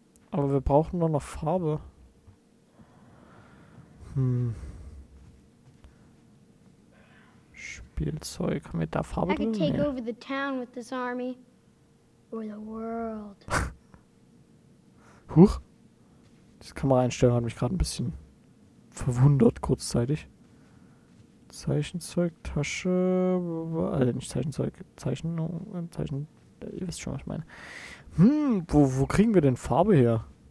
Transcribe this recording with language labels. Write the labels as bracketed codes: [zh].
[de] Aber wir brauchen nur noch Farbe. Spielzeug, haben wir da Farbe drin? [en] I could take over the town with this army. Or the world. [de] Huch. Diese Kameraeinstellung hat mich gerade ein bisschen verwundert, kurzzeitig. Zeichenzeug, Tasche, also nicht Zeichenzeug, Zeichen, ihr wisst schon, was ich meine. Wo kriegen wir denn Farbe her?